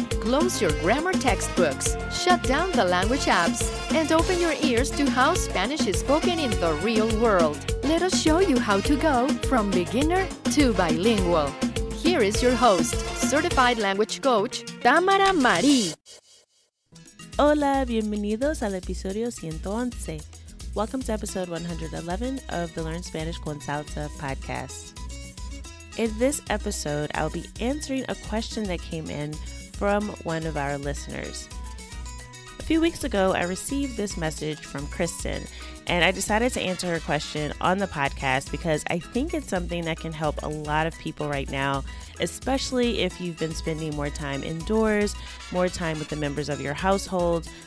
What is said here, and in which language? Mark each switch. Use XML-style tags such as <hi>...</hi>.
<en>Close your grammar textbooks, shut down the language apps, and open your ears to how Spanish is spoken in the real world. Let us show you how to go from beginner to bilingual. Here is your host, certified language coach, Tamara Marie.</en> <es>Hola, bienvenidos al episodio 111.</es> <en>Welcome to episode 111 of the Learn Spanish con Salsa podcast. In this episode, I'll be answering a question that came in from one of our listeners. A few weeks ago, I received this message from Kristen, and I decided to answer her question on the podcast because I think it's something that can help a lot of people right now, especially if you've been spending more time indoors, more time with the members of your household.</en>